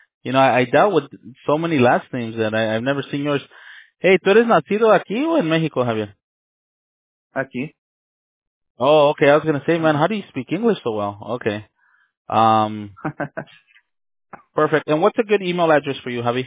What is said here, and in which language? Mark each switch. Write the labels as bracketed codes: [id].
[en] I dealt with so many last names that I've never seen yours. [es] Hey, ¿tú eres nacido aquí o en México, Javier? Aquí. [en] Oh, okay. I was gonna say, man, how do you speak English so well? Okay. Perfect. And what's a good email address for you, Javi?